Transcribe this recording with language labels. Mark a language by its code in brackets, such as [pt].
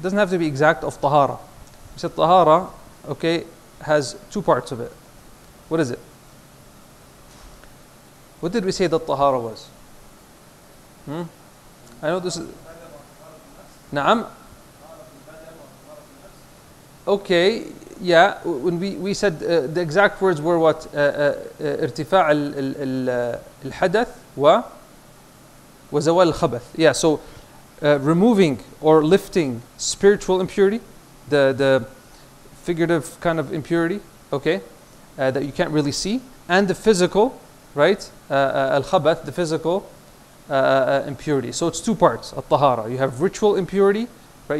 [en] Doesn't have to be exact of tahara. You said tahara, okay, has two parts of it. What is it? What did we say that tahara was? I know this is. Naam. Okay. Yeah. When we said the exact words were what? [ar] ارتفاع الحدث وزوال الخبث. [en] Yeah. So removing or lifting spiritual impurity, the figurative kind of impurity, okay, that you can't really see, and the physical, right? Al-khabath, the physical impurity. So it's two parts, al-tahara. You have ritual impurity, right?